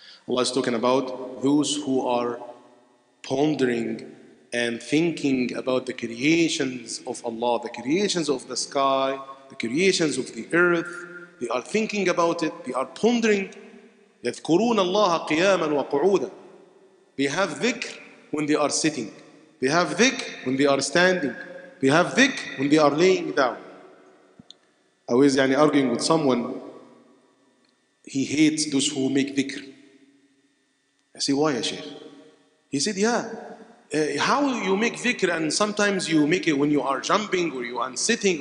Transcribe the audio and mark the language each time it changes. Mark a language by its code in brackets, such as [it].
[en] Allah is talking about those who are pondering and thinking about the creations of Allah, the creations of the sky, the creations of the earth. They are thinking about it, they are pondering. [ar] يذكرون الله قياما وقعودا. [en] They have dhikr when they are sitting. They have dhikr when they are standing. They have dhikr when they are laying down. I was arguing with someone. He hates those who make dhikr. I say, why, Sheikh? He said, yeah. How you make dhikr and sometimes you make it when you are jumping or you are sitting.